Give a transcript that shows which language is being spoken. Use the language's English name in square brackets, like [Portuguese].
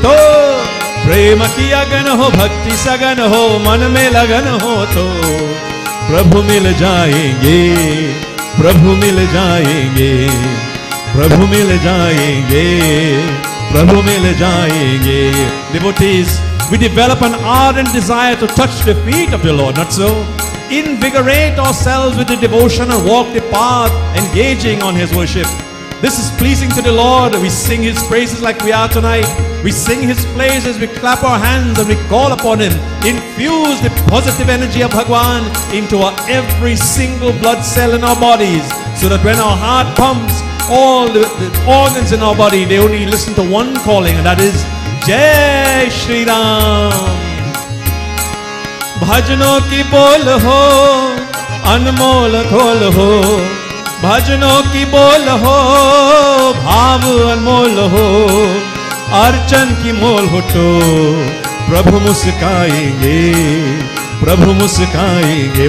[Hindi] तो प्रेम की अगन हो, भक्ति सगन हो, मन में लगन हो तो प्रभु मिल जाएंगे, प्रभु मिल जाएंगे, प्रभु मिल जाएंगे, प्रभु मिल जाएंगे। [English] Devotees, we develop an ardent desire to touch the feet of the Lord, not so? Invigorate ourselves with the devotion and walk the path, engaging on His worship. This is pleasing to the Lord. We sing His praises like we are tonight. We sing His praises, we clap our hands and we call upon Him. Infuse the positive energy of Bhagwan into our every single blood cell in our bodies, so that when our heart pumps, all the organs in our body, they only listen to one calling, and that is Jai Shri Ram. [Hindi] Bhajanon ki bol ho, anmol khol ho, भजनों की बोल हो, भाव अनमोल हो, अर्चन की मोल हो तो प्रभु मुस्काएंगे, प्रभु मुस्काएंगे,